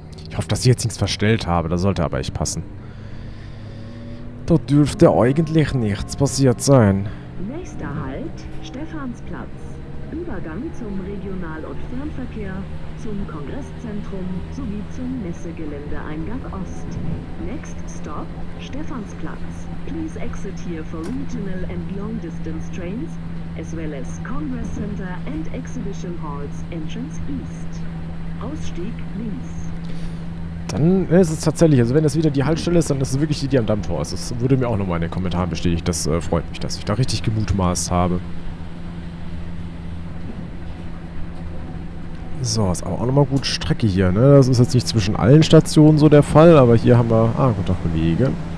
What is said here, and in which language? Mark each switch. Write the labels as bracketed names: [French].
[German] Ich hoffe, dass ich jetzt nichts verstellt habe. Das sollte aber echt passen. Da dürfte eigentlich nichts passiert sein. Nächster Halt, Stephansplatz. Übergang zum Regional- und Fernverkehr, zum Kongresszentrum sowie zum Messegeländeeingang Ost. [English] Next Stop, Stephansplatz. Please exit here for regional and long distance trains. As well as Congress Center and Exhibition Halls, Entrance East. [German] Ausstieg links. Dann ist es tatsächlich, also wenn das wieder die Haltestelle ist, dann ist es wirklich die, die am Dammtor ist. Das wurde mir auch nochmal in den Kommentaren bestätigt. Das freut mich, dass ich da richtig gemutmaßt habe. So, ist aber auch nochmal gut Strecke hier, ne? Das ist jetzt nicht zwischen allen Stationen so der Fall, aber hier haben wir... Ah, guten Tag, Kollege.